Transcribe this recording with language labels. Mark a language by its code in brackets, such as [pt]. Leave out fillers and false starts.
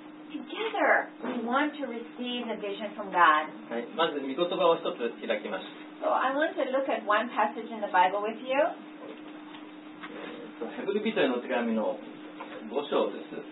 [en] together, we want to receive the vision from God. [ja] はい、まず御言葉を一つ開きます。 [en] So I want to look at one passage in the Bible with you. [ja] ヘブル人への手紙の五章です。